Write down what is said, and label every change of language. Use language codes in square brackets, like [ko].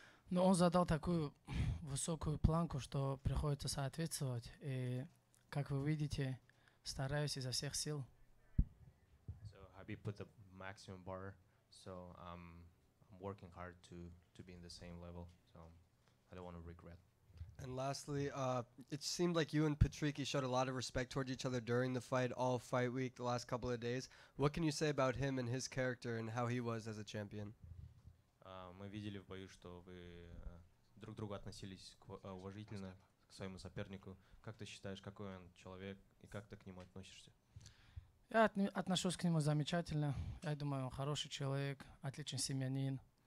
[ru] Ну, он задал такую высокую планку, что приходится соответствовать, и как вы видите, стараюсь изо всех сил. [en] So Habib put the maximum bar, so I'm working hard to be in the same level. So I don't want to regret. And lastly, it seemed like you and Patricky showed a lot of respect towards each other during the fight, all fight week, the last couple of days. What can you say about him and his character and how he was as a champion? [ru] Мы видели в бою, что вы друг другу относились уважительно. К своему сопернику. Как ты считаешь, какой он человек и как ты к нему относишься? Я отношусь к нему замечательно. Я думаю, он хороший человек, отличный семьянин.